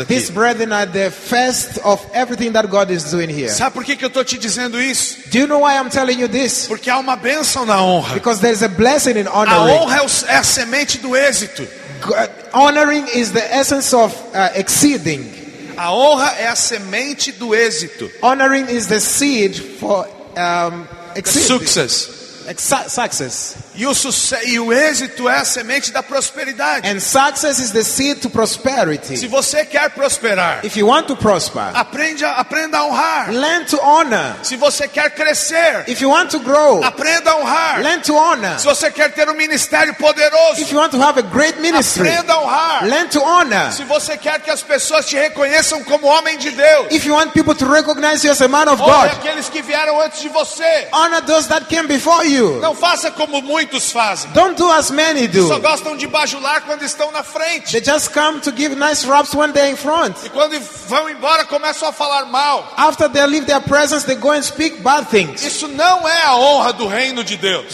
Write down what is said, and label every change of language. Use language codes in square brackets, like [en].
[en] and [pt] aqui. [en] These brethren are the first of everything that God is doing here. [pt] Sabe por que eu tô te dizendo isso? [en] Do you know why I'm telling you this? [pt] Porque há uma bênção na honra. [en] Because there is a blessing in honoring. [pt] A honra é a semente do êxito. [en] Honoring is the essence of exceeding. [pt] A honra é a semente do êxito. [en] Honoring is the seed for exceeding. Success. Success. [pt] E o êxito é a semente da prosperidade. [en] And success is the seed to prosperity. [pt] Se você quer prosperar, [en] if you want to prosper, [pt] aprenda a honrar. [en] Learn to honor. [pt] Se você quer crescer, [en] if you want to grow, [pt] aprenda a honrar. [en] Learn to honor. [pt] Se você quer ter ministério poderoso, [en] if you want to have a great ministry, [pt] aprenda a honrar. [en] Learn to honor. [pt] Se você quer que as pessoas te reconheçam como homem de Deus, [en] if you want people to recognize you as a man of [pt] honra [en] God, [pt] aqueles que vieram antes de você. [en] Honor those that came before you. [pt] Não faça como muitos fazem. [en] Don't do as many do. [pt] Só gostam de bajular quando estão na frente. [en] They just come to give nice raps when they're in front. [pt] E quando vão embora começam a falar mal. [en] After they leave their presence, they go and speak bad things. [pt] Isso não é a honra do reino de Deus.